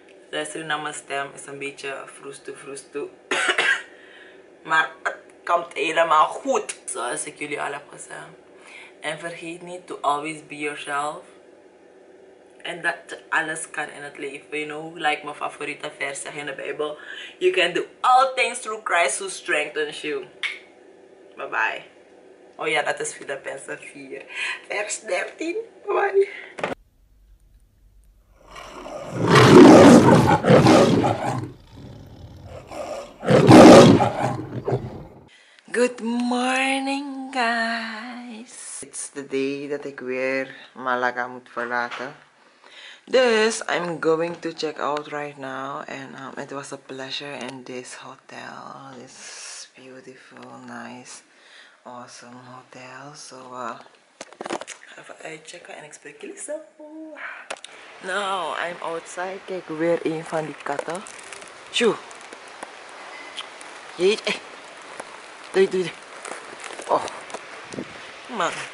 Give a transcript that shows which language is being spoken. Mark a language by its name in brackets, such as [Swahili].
[Dutch] Luister naar mijn stem. Is een beetje vroes toe. Maar het komt helemaal goed. Zoals ik jullie al heb gezegd. En vergeet niet [English] to always be yourself. [Dutch] En dat alles kan in het leven. [English] You know, like [Dutch] mijn favoriete vers zeg in de Bijbel. [English] You can do all things through Christ who strengthens you. [Dutch] Bye bye. Oh ja, dat is Filippenzen 4. Vers 13. Bye bye. [English] Good morning, guys. It's the day [Dutch] dat ik weer Malaga moet verlaten. [English] Dus, I'm going to check out right now and it was a pleasure in this hotel. This beautiful, nice, awesome hotel. [Dutch] So, even uitchecken en ik spreek jullie zo. [English] Now, I'm outside. [Dutch] Kijk, weer een van die katten. Tjoe. Jeetje. Doei. Oh. Man.